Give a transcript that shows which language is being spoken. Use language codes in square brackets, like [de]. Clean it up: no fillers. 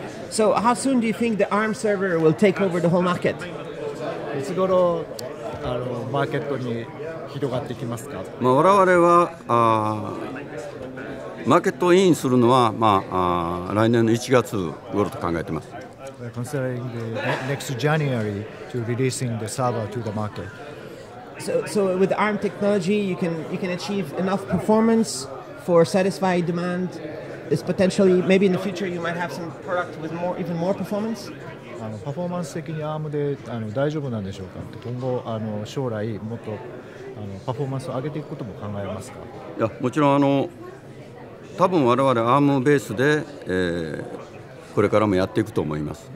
[en] So how soon do you think the ARM server will take over the whole market? [ja] いつ頃マーケットに広がってきますか？まあ、我々はマーケットインするのは、まあ、来年の1月頃と考えています。 [en] We're considering the next January to releasing the server to the market. So with ARM technology you can achieve enough performance for satisfied demand. It's potentially maybe in the future you might have some product with more, even more performance. [ja] パフォーマンス的に ARM で大丈夫なんでしょうか？今後将来もっとパフォーマンスを上げていくことも考えますか？いや、もちろん多分我々 ARM ベースで、これからもやっていくと思います。